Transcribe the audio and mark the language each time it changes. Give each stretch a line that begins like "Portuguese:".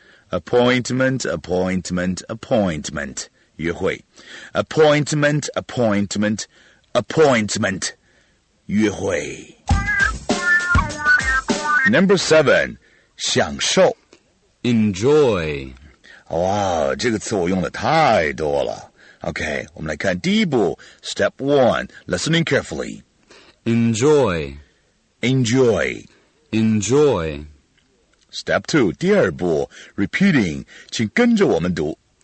English: Appointment, appointment, appointment,
Chinese: 约会
English: Appointment, appointment, appointment.
Chinese: 约会。
English: Number seven,
Chinese: 享受。
English: Enjoy.
Chinese: 哇，这个词我用的太多了。 OK, 我们来看第一步。
English: Step one, listening carefully. Enjoy. Enjoy. Enjoy. Step two,
Chinese: 第二步。
English: Repeating,
Chinese: 请跟着我们读。